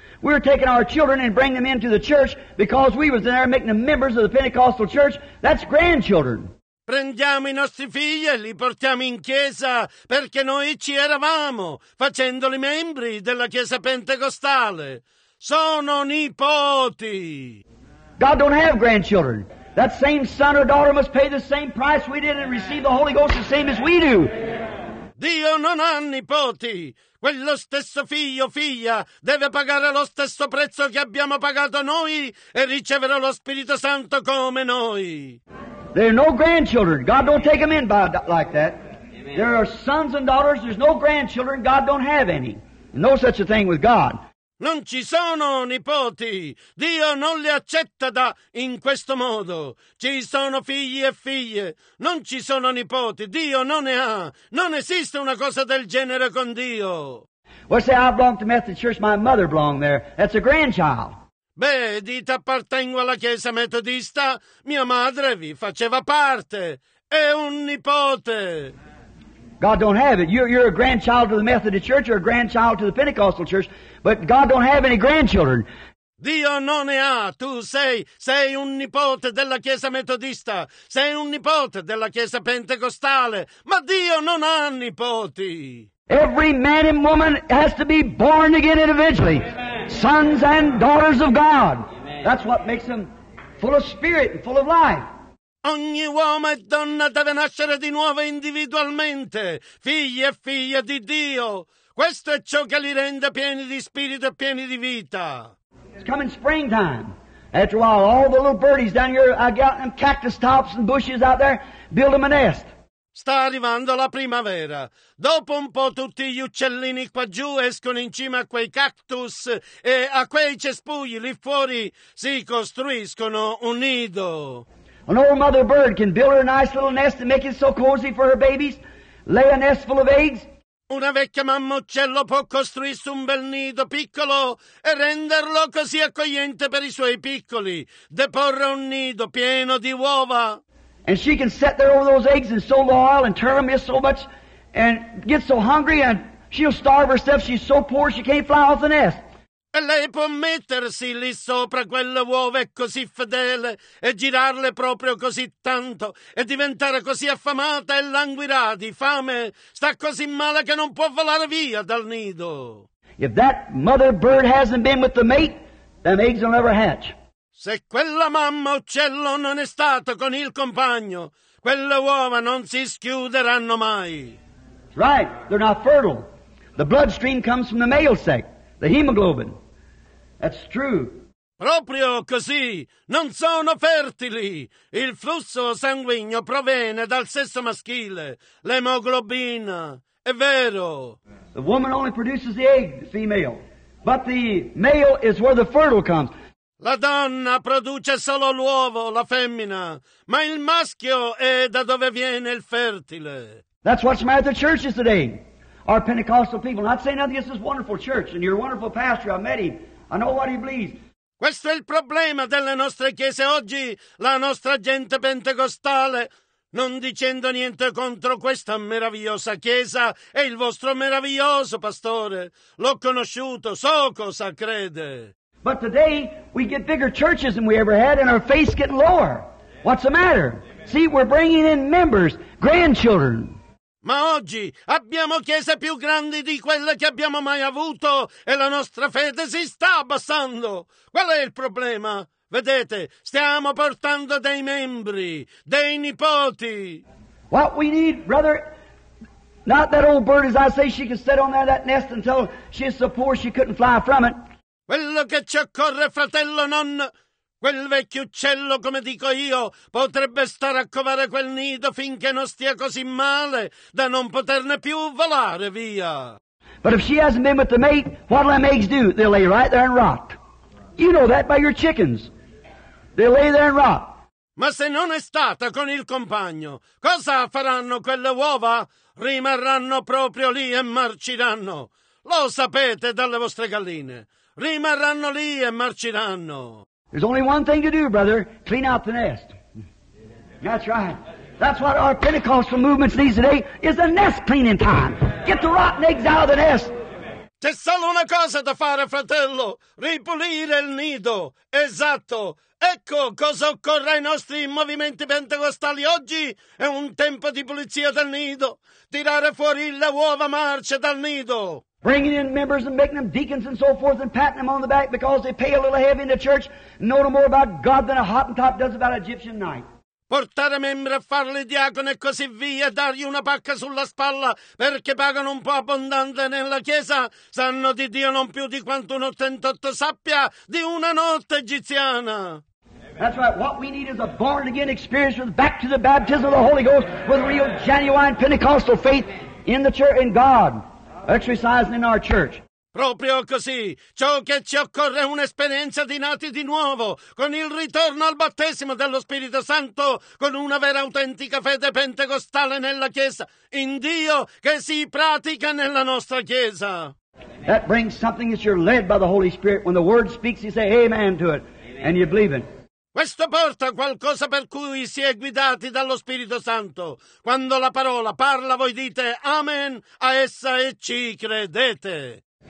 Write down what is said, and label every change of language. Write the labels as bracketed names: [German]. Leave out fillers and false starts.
[English] We're taking our children and bring them into the church because we was there making them members of the Pentecostal church. That's grandchildren. [Italian] Prendiamo i nostri figli e li portiamo in chiesa perché noi ci eravamo, facendoli membri della chiesa pentecostale. Sono nipoti. [English] God don't have grandchildren. That same son or daughter must pay the same price we did and receive the Holy Ghost the same as we do. [Italian] Dio non ha nipoti. Quello stesso figlio o figlia deve pagare lo stesso prezzo che abbiamo pagato noi e riceverà lo Spirito Santo come noi. [English] There are no grandchildren. God don't take them in by like that. Amen. There are sons and daughters. There's no grandchildren. God don't have any. No such a thing with God. [Italian] Non ci sono nipoti. Dio non li accetta da in questo modo. Ci sono figli e figlie. Non ci sono nipoti. Dio non ne ha. Non esiste una cosa del genere con Dio. [English] Well, say, I belong to Methodist Church. My mother belonged there. That's a grandchild. [Italian] Beh, dite appartengo alla Chiesa Metodista. Mia madre vi faceva parte. È un nipote. [English] God don't have it. You're a grandchild to the Methodist Church or a grandchild to the Pentecostal Church, but God don't have any grandchildren. [Italian] Dio non ne ha. Tu sei un nipote della Chiesa Metodista. Sei un nipote della Chiesa Pentecostale. Ma Dio non ha nipoti. [English] Every man and woman has to be born again individually. Amen. Sons and daughters of God. Amen. That's what makes them full of spirit and full of life. [Italian] Ogni uomo e donna deve nascere di nuovo individualmente, figli e figlie di Dio. Questo è ciò che li rende pieni di spirito e pieni di vita. [English] It's coming springtime. After a while, all the little birdies down here, I got them cactus tops and bushes out there, build them a nest. [Italian] Sta arrivando la primavera. Dopo un po' tutti gli uccellini qua giù escono in cima a quei cactus e a quei cespugli lì fuori si costruiscono un nido. [English] An old mother bird can build her a nice little nest and make it so cozy for her babies. Lay a nest full of eggs. [Italian] Una vecchia mamma uccello può costruirsi un bel nido piccolo e renderlo così accogliente per i suoi piccoli. Deporre un nido pieno di uova. [English] And she can sit there over those eggs and soak the oil and turn them just so much and get so hungry and she'll starve herself. She's so poor she can't fly off the nest. [Italian] E lei può mettersi lì sopra quelle uova così fedele e girarle proprio così tanto e diventare così affamata e languirà di fame. Sta così male che non può volare via dal nido. [English] If that mother bird hasn't been with the mate, them eggs will never hatch. [Italian] Se quella mamma uccello non è stata con il compagno, quelle uova non si schiuderanno mai. [English] Right, they're not fertile. The bloodstream comes from the male sac. The hemoglobin. That's true. [Italian] Proprio così. Non sono fertili. Il flusso sanguigno proviene dal sesso maschile. L'emoglobina. È vero. [English] The woman only produces the egg, the female. But the male is where the fertile comes. [Italian] La donna produce solo l'uovo, la femmina. Ma il maschio è da dove viene il fertile. [English] That's what's matter at the churches today. Our Pentecostal people. Not saying nothing. This is a wonderful church, and you're a wonderful pastor. I met him. I know what he believes. [Italian] Questo è il problema delle nostre chiese oggi. La nostra gente pentecostale. Non dicendo niente contro questa meravigliosa chiesa e il vostro meraviglioso pastore. L'ho conosciuto, so cosa crede. [English] But today we get bigger churches than we ever had and our faith's getting lower. What's the matter? See, we're bringing in members, grandchildren. [Italian] Ma oggi abbiamo chiese più grandi di quelle che abbiamo mai avuto e la nostra fede si sta abbassando. Qual è il problema? Vedete, stiamo portando dei membri, dei nipoti. [English] What we need, brother, not that old bird, as I say, she can sit on that nest until she's so poor she couldn't fly from it. [Italian] Quello che ci occorre, fratello, non quel vecchio uccello, come dico io, potrebbe stare a covare quel nido finché non stia così male da non poterne più volare via. [English] But if she hasn't been with the mate, what'll them eggs do? They'll lay right there and rot. You know that by your chickens. They lay there and rot. [Italian] Ma se non è stata con il compagno, cosa faranno quelle uova? Rimarranno proprio lì e marciranno. Lo sapete dalle vostre galline. Rimarranno lì e marciranno. [English] There's only one thing to do, brother. Clean out the nest. That's right. That's what our Pentecostal movements need today, is a nest cleaning time. Get the rotten eggs out of the nest. [Italian] C'è solo una cosa da fare, fratello. Ripulire il nido. Esatto. Ecco cosa occorre ai nostri movimenti pentecostali oggi. È un tempo di pulizia del nido. Tirare fuori le uova marce dal nido. [English] Bringing in members and making them deacons and so forth and patting them on the back because they pay a little heavy in the church and know no more about God than a Hottentot does about an Egyptian knight. [Italian] Portare membri a farli diacone e così via, dargli una pacca sulla spalla perché pagano un po' abbondante nella chiesa, sanno di Dio non più di quanto un 88 sappia di una notte egiziana. [English] That's right, what we need is a born again experience with back to the baptism of the Holy Ghost with real genuine Pentecostal faith in the church, in God, exercising in our church. [Italian] Proprio così, ciò che ci occorre è un'esperienza di nati di nuovo, con il ritorno al battesimo dello Spirito Santo, con una vera autentica fede pentecostale nella Chiesa, in Dio che si pratica nella nostra Chiesa. [English] That brings something that you're led by the Holy Spirit. When the Word speaks, you say amen to it, and you believe it. [Italian] Questo porta qualcosa per cui si è guidati dallo Spirito Santo. Quando la parola parla, voi dite amen a essa e ci credete.